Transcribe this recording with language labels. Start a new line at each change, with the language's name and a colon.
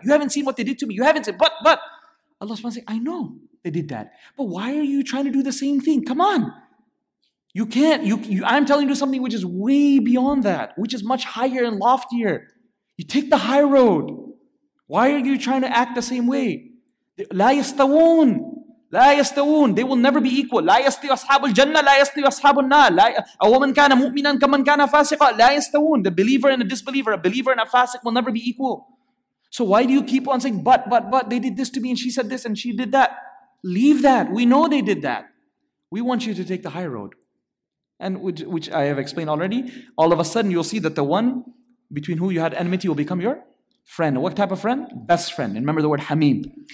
English: You haven't seen what they did to me. You haven't said, but. Allah subhanahu wa ta'ala say, I know they did that. But why are you trying to do the same thing? Come on. You can't. I'm telling you something which is way beyond that, which is much higher and loftier. You take the high road. Why are you trying to act the same way?
Arabic: لا يستوون لا يستوون.
English: They will never be equal.
Arabic: لا يستوي أصحاب الجنة لا يستوي أصحاب النار. لا أو من كان مؤمنا كمن كان فاسقا لا يستوون.
English: The believer and a disbeliever, a believer and a fasiq will never be equal. So why do you keep on saying but they did this to me and she said this and she did that? Leave that. We know they did that. We want you to take the high road. And which I have explained already, all of a sudden you'll see that the one between who you had enmity will become your friend. What type of friend? Best friend. And remember the word hamim.